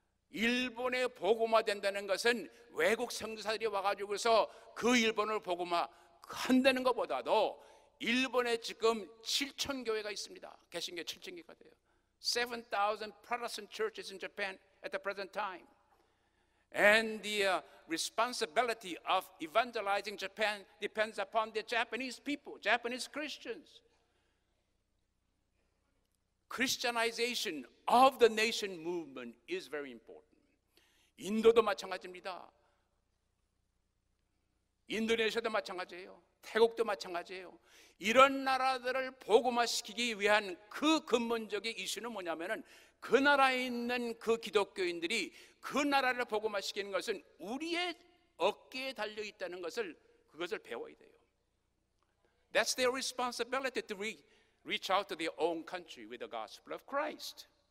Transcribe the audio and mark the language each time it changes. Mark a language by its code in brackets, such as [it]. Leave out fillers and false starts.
[ko] 일본에 복음화 된다는 것은 외국 선교사들이 와가지고서 그 일본을 복음화 한다는 것보다도 일본에 지금 7천 교회가 있습니다. 개신교 7천 개가 돼요. [en] 7,000 Protestant churches in Japan at the present time. And the responsibility of evangelizing Japan depends upon the Japanese people, Japanese Christians. Christianization of the nation movement is very important. [ko] 인도도 마찬가지입니다. 인도네시아도 마찬가지예요. 태국도 마찬가지예요. 이런 나라들을 복음화시키기 위한 그 근본적인 이슈는 뭐냐면은, 그 나라에 있는 그 기독교인들이 그 나라를 복음화시키는 것은 우리의 어깨에 달려 있다는 것을, 그것을 배워야 돼요. [en] That's their responsibility to reach out to their own country with the gospel of Christ.